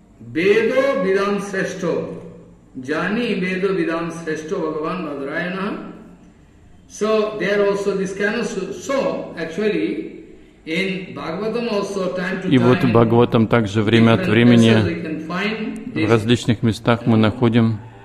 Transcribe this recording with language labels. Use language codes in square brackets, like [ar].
[sa] Бедо видам срешто, жани бедо видам срешто, Бхагаван Бадрайана. [en] So there also this kind of so actually in Bhagavatam also time to time. [ru] И вот Бхагаватам также время от времени в различных местах мы находим.